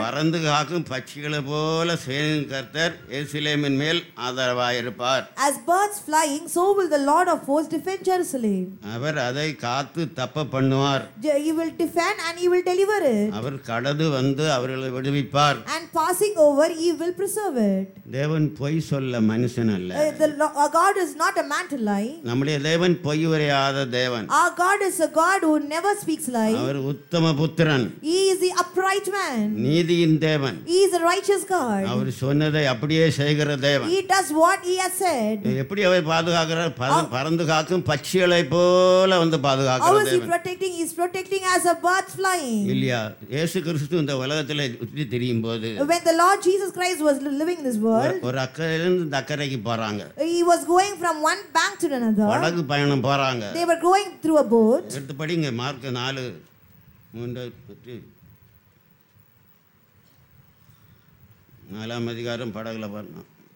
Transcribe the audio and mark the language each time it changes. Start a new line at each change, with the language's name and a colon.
Tamil: பறந்து காக்கும் பட்சிகளை போல சேனின் கர்த்தர் எருசலேமின் மேல் ஆதரவாயிருப்பார்.
English: As birds flying, so will the Lord of hosts defend Jerusalem.
Tamil: அவர் அதை காத்து தப்ப பண்ணுவார்.
English: He will defend and he will deliver it.
Tamil: அவர் கடந்து வந்து அவர்களை விடுவிப்பார்.
English: And passing over, he will preserve it.
Tamil: தேவன் பொய் சொல்ல மனுஷன் அல்ல.
English: Our God is not a man to lie.
Tamil: நம்முடைய தேவன் பொய் உரையாத தேவன்.
English: Our God is a God who never speaks lie.
Tamil: அவர் உத்தம புத்திர.
English: He is the upright man.
Tamil: நீதியின் தேவன்.
English: He is a righteous God.
Tamil: அவர் சொன்னதை அப்படியே செய்கிற தேவன்.
English: He does what he has said.
Tamil: எப்படி அவர் பாதுகாக்கிறார்? பறந்து காக்கும் பட்சிகளை போல வந்து பாதுகாக்கிற தேவன்.
English: How is he protecting? He is protecting as a bird flying.
Tamil: இல்லையா? இயேசு கிறிஸ்து இந்த உலகத்திலே உற்றி திரியும் போது,
English: When the Lord Jesus Christ was living in this world,
Tamil: ஒரு அக்கறையிலிருந்து இந்த அக்கறைக்கு போறாங்க.
English: He was going from one bank to another.
Tamil: படகு பயணம் போறாங்க.
English: They were going through a boat.
Tamil: எடுத்து படிங்க மார்க் 4:3 நாலாம் அதிகாரம் படகுல பார்த்தோம்.